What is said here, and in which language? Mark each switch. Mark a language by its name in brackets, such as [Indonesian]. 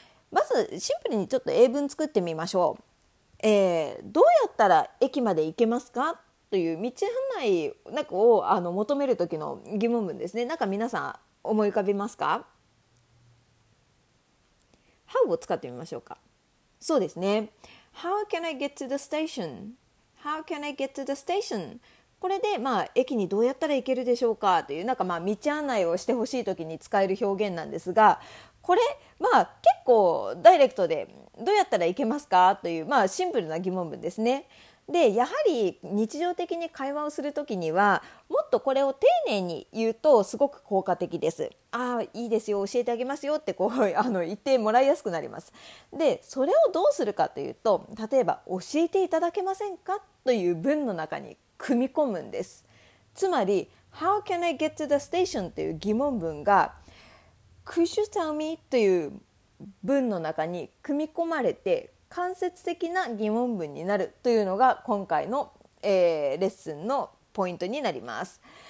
[Japanese] まずシンプルにちょっと英文作ってみましょう。どうやったら駅まで行けますかという道案内を求める時の疑問文ですね。なんか皆さん思い浮かびますか？ How を使ってみましょうか。そうですね、 [English] How can I get to the station? How can I get to the station? [Japanese] これで、駅にどうやったら行けるでしょうかという、道案内をしてほしいときに使える表現なんですが、これ、結構ダイレクトで、どうやったら行けますかという、シンプルな疑問文ですね。で、やはり日常的に会話をするときには、もっとこれを丁寧に言うとすごく効果的です。いいですよ、教えてあげますよってこう言ってもらいやすくなります。で、それをどうするかというと、例えば教えていただけませんかという文の中に組み込むんです。つまり、 [English] How can I get to the station? [Japanese] という疑問文が、 [English] Could you tell me? [Japanese] という文の中に組み込まれて、間接的な疑問文になるというのが今回の、レッスンのポイントになります。